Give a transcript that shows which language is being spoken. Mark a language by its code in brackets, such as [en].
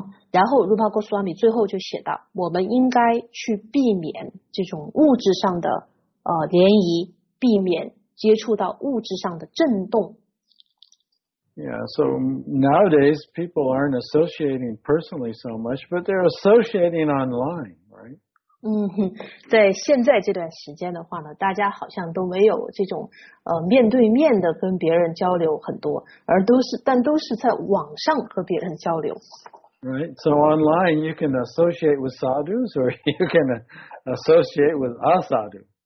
[zh] 然后卢帕戈苏阿米最后就写到，我们应该去避免这种物质上的涟漪，避免接触到物质上的震动。 [en] Yeah, so nowadays people aren't associating personally so much, but they're associating online, right? [zh] 在现在这段时间的话呢，大家好像都没有这种面对面的跟别人交流很多，但都是在网上和别人交流。 [en] Right, so online you can associate with sadhus or you can associate with asadhu.